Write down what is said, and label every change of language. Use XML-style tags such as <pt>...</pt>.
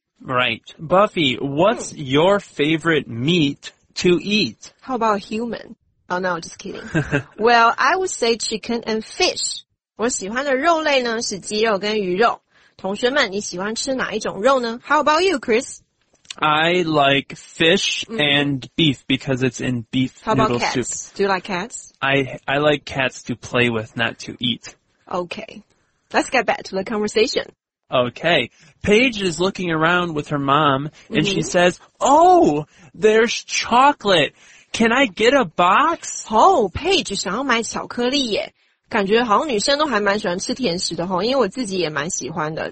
<en>Right. Buffy, what's your favorite meat to eat? How about human? Oh no, just kidding. Well, I would say chicken and fish.</en> <zh>我喜欢的肉类呢是鸡肉跟鱼肉。同学们，你喜欢吃哪一种肉呢？</zh> <en>How about you, Chris? I like fish and beef because it's in beef noodle soup. How about cats? Do you like cats? I like cats to play with, not to eat. Okay. Let's get back to the conversation. Okay. Paige is looking around with her mom and she says, Oh, there's chocolate. Can I get a box?</en> <zh>Oh, Paige 想要买巧克力耶。感觉好像女生都还蛮喜欢吃甜食的齁因为我自己也蛮喜欢的。</zh>